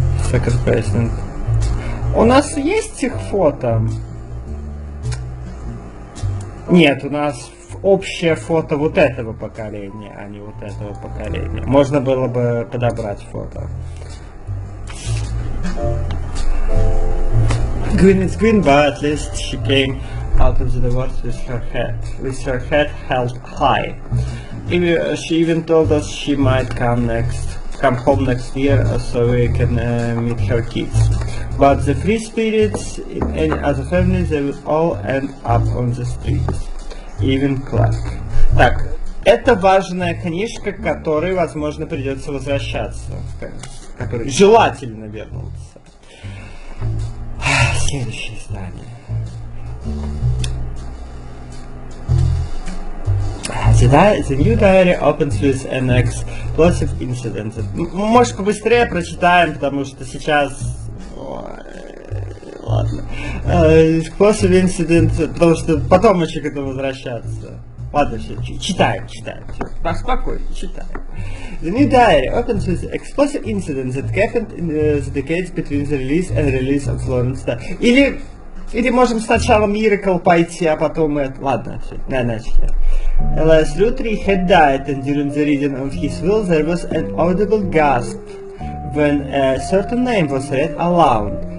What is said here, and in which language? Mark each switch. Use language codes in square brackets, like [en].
[en] Second President. [ru] У нас есть их фото? Нет, у нас общее фото вот этого поколения, а не вот этого поколения. Можно было бы подобрать фото. [en] Gwyneth Green Bartlett, she came out of the divorce with her head held high. She even told us she might come home next year so we can meet her kids. But the free spirits in any other family, they will all end up on the streets. Even Clark. [ru] Так, это важная книжка, к которой, возможно, придется возвращаться. Которой желательно вернуться. Следующее издание. [en] The new diary opens with an explosive incident. [ru] Может, побыстрее прочитаем, потому что сейчас... [en] Explosive incident, [ru] потому что потом еще к этому возвращаться. Ладно, все, читаем. Поспокойнее, читаем. [en] The new diary opens with explosive incident that happened in the decades between the release and release of Florence Day. [ru] Или можем сначала Miracle пойти, а потом это... Ладно, все, начали. [en] Alas, Rutri had died, and during the reading of his will, there was an audible gasp when a certain name was read aloud.